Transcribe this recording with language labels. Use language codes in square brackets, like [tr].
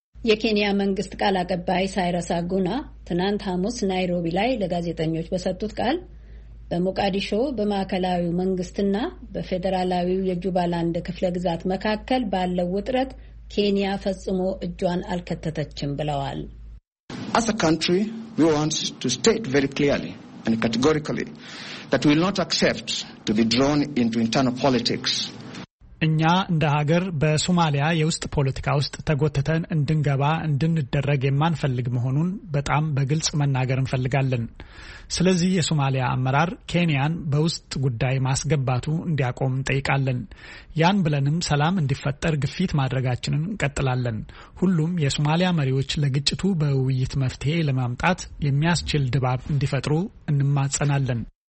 [am] የኬንያ መንግስት ቃል አቀባይ ሳይረስ አጉና ትናንት ሐሙስ ናይሮቢ ላይ ለጋዜጠኞች በሰጡት ቃል በሞቃዲሾ በማዕከላዊው መንግስትና በፌዴራላዊው የጁባላንድ ክፍለ ግዛት መካከል ባለው ውጥረት ኬንያ ፈጽሞ እጇን አልከተተችም ብለዋል። [en] As a country, we want to state very clearly and categorically that we will not accept to be drawn into internal politics. [am] እኛ እንደ ሀገር በሶማሊያ የውስጥ ፖለቲካ ውስጥ ተጎትተን እንድንገባ እንድንደረግ የማንፈልግ መሆኑን በጣም በግልጽ መናገር እንፈልጋለን። ስለዚህ የሶማሊያ አመራር ኬንያን በውስጥ ጉዳይ ማስገባቱ እንዲያቆም እንጠይቃለን። ያን ብለንም ሰላም እንዲፈጠር ግፊት ማድረጋችንን እንቀጥላለን። ሁሉም የሶማሊያ መሪዎች ለግጭቱ በውይይት መፍትሄ ለማምጣት የሚያስችል ድባብ እንዲፈጥሩ እንማጸናለን።